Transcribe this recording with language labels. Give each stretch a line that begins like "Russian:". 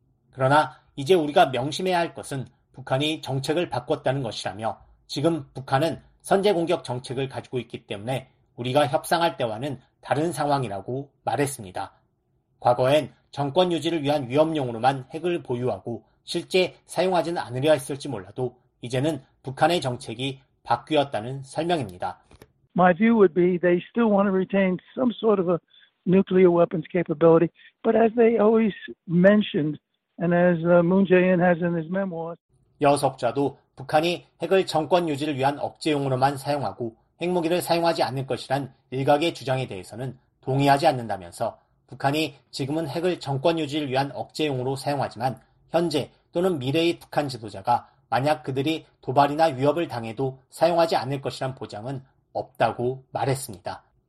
Korean: 그러나 이제 우리가 명심해야 할 것은 북한이 정책을 바꿨다는 것이라며 지금 북한은 선제 공격 정책을 가지고 있기 때문에 우리가 협상할 때와는 다른 상황이라고 말했습니다. 과거엔 정권 유지를 위한 위험용으로만 핵을 보유하고 실제 사용하지는 않으려 했을지 몰라도 이제는 북한의 정책이 바뀌었다는 설명입니다.
English: My view would be they still want to retain some sort of a nuclear weapons capability, but as they always mentioned and as Moon Jae-in has in his memoirs.
Korean: 여석자도 북한이 핵을 정권 유지를 위한 억제용으로만 사용하고 핵무기를 사용하지 않을 것이란 일각의 주장에 대해서는 동의하지 않는다면서 북한이 지금은 핵을 정권 유지를 위한 억제용으로 사용하지만 현재 또는 미래의 북한 지도자가 만약 그들이 도발이나 위협을 당해도 사용하지 않을 것이란 보장은 없다고 말했습니다.